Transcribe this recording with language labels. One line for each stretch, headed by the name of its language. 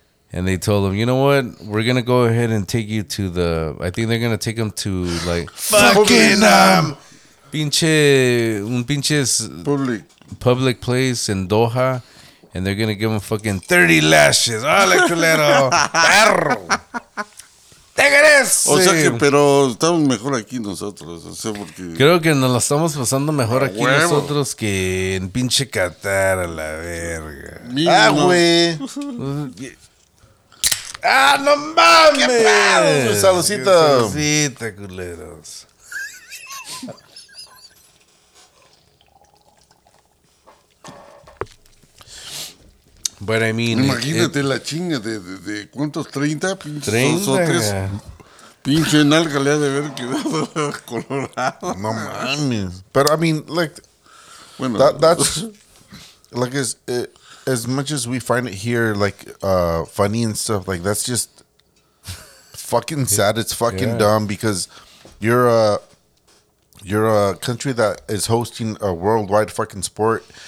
English: And they told him, you know what? We're going to go ahead and take you to the... I think they're going to take him to like... fucking...
Spanish: pinche... un pinches...
English: public. Public place in Doha. And they're going to give him fucking 30 lashes.
Spanish: ¡Ale, culero! ¡Perro! O sea que, pero estamos mejor aquí nosotros. O sea, porque... creo que nos lo estamos pasando mejor aquí nosotros que en pinche Qatar, a la verga. Mira, ¡ah, güey! ¡Ah, no mames! ¡Qué pedo! ¡Saludcita! ¡Saludcita, culeros!
English: But I mean,
Spanish: imagínate la chinga de cuántos 30 pinches o tres pinche nalga le ha de haber quedado colorado. No mames.
English: Pero I mean, like, bueno, that's like as much as we find it here like funny and stuff, like that's just fucking sad. It's fucking dumb because you're a country that is hosting a worldwide fucking sport.